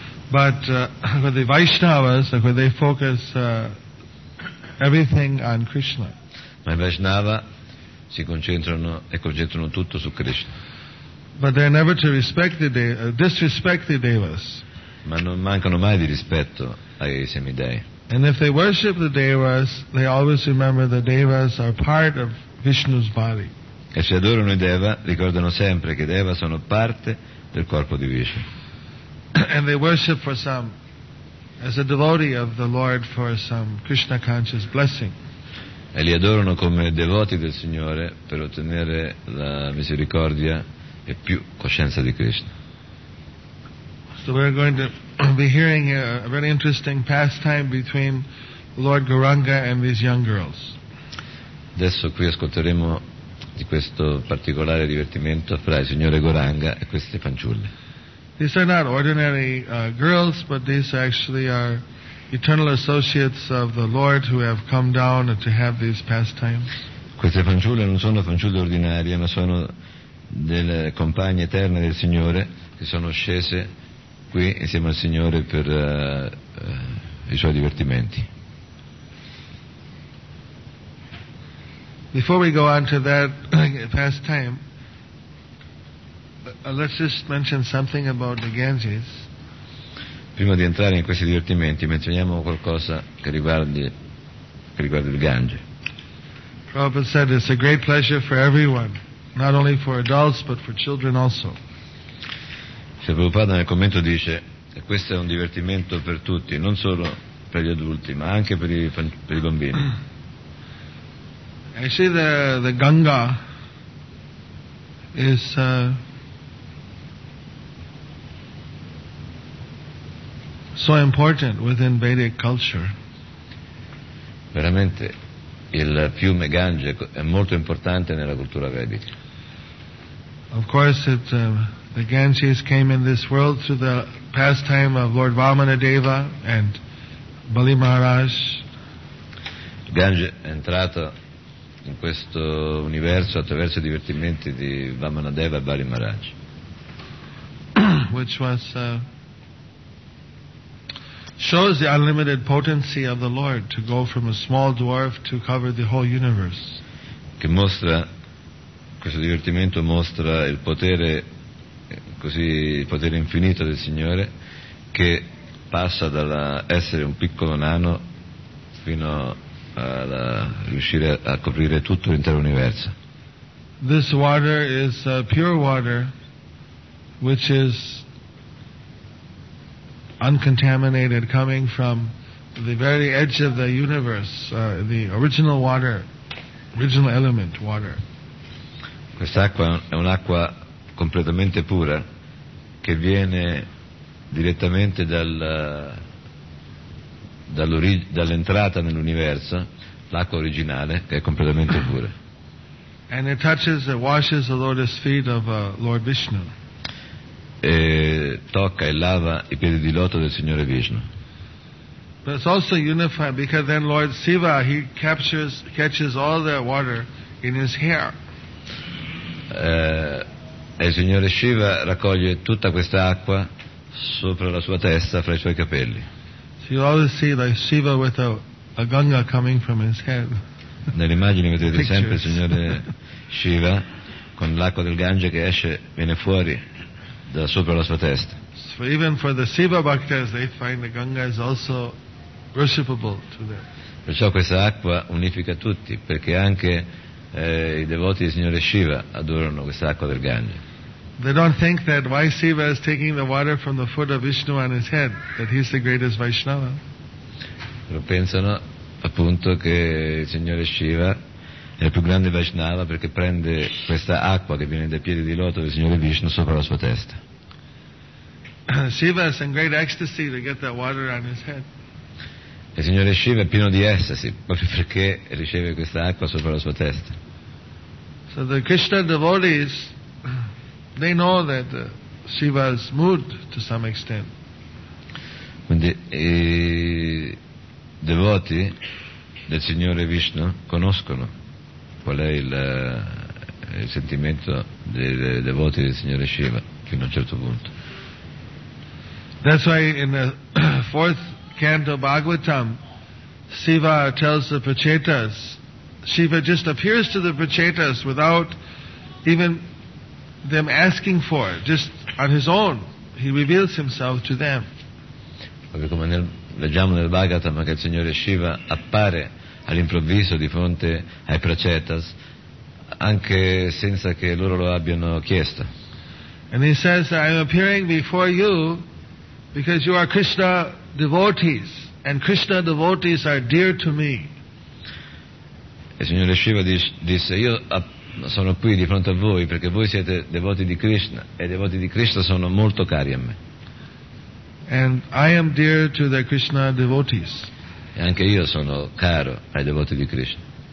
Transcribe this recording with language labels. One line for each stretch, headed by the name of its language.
English: But with the Vaishnavas, like when they focus everything on Krishna.
Italian: Ma i Vaishnava si concentrano e concentrano tutto su Krishna.
English: But they're never to respect the disrespect the devas.
Italian: Ma non mancano mai di rispetto ai semidei.
English: And if they worship the devas, they always remember the devas are part of Vishnu's body.
Italian: E se adorano i deva, ricordano sempre che i deva sono parte del corpo di Vishnu.
English: And they worship for some, as a devotee of the Lord, for some Krishna conscious blessing.
Italian: E li adorano come devoti del Signore per ottenere la misericordia e più coscienza di Krishna.
English: So we're going to be hearing a very interesting pastime between Lord Gauranga and these young girls.
Italian: Adesso qui ascolteremo di questo particolare divertimento fra il Signore Gauranga e queste fanciulle.
English: These are not ordinary girls, but these actually are eternal associates of the Lord who have come down to have these pastimes.
Italian: Queste fanciulle non sono fanciulle ordinarie, ma sono delle compagne eterne del Signore che sono scese qui insieme al Signore per i suoi divertimenti.
English: Before we go on to that pastime, let's just mention something about the Ganges.
Italian: Prima di entrare in questi divertimenti, menzioniamo qualcosa che riguarda il Gange.
English: Prabhupada said it's a great pleasure for everyone, not only for adults but for children also.
Italian: Se Prabhupada nel commento dice che questo è un divertimento per tutti, non solo per gli adulti, ma anche per i bambini.
English: Actually, the Ganga is so important within Vedic culture.
Italian: Veramente, il fiume Gange è molto importante nella cultura vedica.
English: Of course, the Ganges came in this world through the pastime of Lord Vamanadeva and Bali Maharaj.
Italian: Gange è entrato in questo universo attraverso i divertimenti di Vamanadeva e Bali Maharaj.
English: Which was shows the unlimited potency of the Lord to go from a small dwarf to cover the whole universe.
Italian: Che mostra, questo divertimento mostra il potere, così il potere infinito del Signore, che passa dall'essere un piccolo nano fino a riuscire a coprire tutto l'intero universo.
English: This water is pure water, which is uncontaminated, coming from the very edge of the universe, the original water, original element water.
Italian: Quest'acqua è un'acqua completamente pura che viene direttamente dall'entrata nell'universo, l'acqua originale che è completamente pura.
English: And it touches, it washes the lotus feet of Lord Vishnu.
Italian: E tocca e lava i piedi di loto del Signore Vishnu.
English: But it's also unified because then Lord Shiva, he catches all the water in his hair.
Italian: E il Signore Shiva raccoglie tutta questa acqua sopra la sua testa, fra i suoi capelli.
English: So you always see like Shiva with a Ganga coming from his head.
Italian: Nell'immagine vedete pictures. Sempre il Signore Shiva con l'acqua del Ganga che esce, viene fuori da sopra la sua testa.
English: So even for the Shiva Bhaktas, they find the Ganga is also worshipable to them.
Italian: Perciò questa acqua unifica tutti, perché anche i devoti del Signore Shiva adorano questa acqua del Ganga.
English: They don't think that why Shiva is taking the water from the foot of Vishnu on his head, that he's the greatest Vaishnava.
Italian: Lo pensano appunto che il Signore Shiva è il più grande Vaishnava perché prende questa acqua che viene dai piedi di loto del Signore Vishnu sopra la sua testa.
English: Shiva is in great ecstasy to get that water on his head.
Italian: Il Signore Shiva è pieno di estasi proprio perché riceve questa acqua sopra la sua testa.
English: So the Krishna devotees, they know that Shiva's mood to some extent.
Italian: Quindi i devoti del Signore Vishnu conoscono qual è il sentimento dei devoti del Signore Shiva fino a un certo punto.
English: That's why in the fourth canto Bhagavatam, Shiva tells the Prachetas, Shiva just appears to the Prachetas without even them asking for it, just on his own, he reveals himself to them.
Italian: Proprio come leggiamo nel Bhagavatam che il Signore Shiva appare all'improvviso di fronte ai Prachetas anche senza che loro lo abbiano chiesto.
English: And he says, I'm appearing before you because you are Krishna devotees and Krishna devotees are dear to me.
Italian: Il Signore Shiva disse, io sono qui di fronte a voi perché voi siete devoti di Krishna e i devoti di Krishna sono molto cari a me.
English: And I am dear to the Krishna devotees.
Italian: E anche io sono caro ai devoti di Krishna.